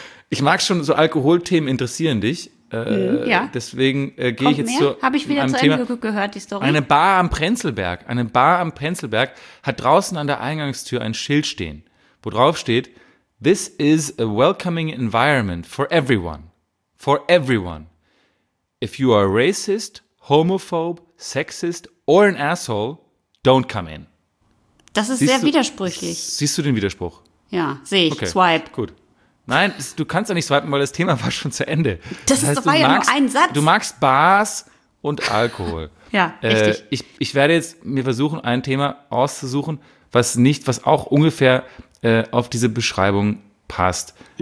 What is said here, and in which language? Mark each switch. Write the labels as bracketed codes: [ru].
[de] Ich mag schon, so Alkoholthemen interessieren dich. Deswegen gehe ich jetzt mehr? Habe ich wieder zu Ende gehört, die Story? Eine Bar am Prenzlberg. Eine Bar am Prenzlberg hat draußen an der Eingangstür ein Schild stehen, wo drauf steht: [en] This is a welcoming environment for everyone. For everyone. If you are racist, homophobe, sexist or an asshole, don't come in. [de] Das ist sehr widersprüchlich. Siehst du den Widerspruch? Ja, sehe ich. Okay. Swipe. Gut. Nein, du kannst ja nicht swipen, weil das Thema war schon zu Ende. Das war ja nur ein Satz. Du magst Bars und Alkohol. Ja, richtig. Ich werde jetzt mir versuchen, ein Thema auszusuchen, was auch ungefähr auf diese Beschreibung passt.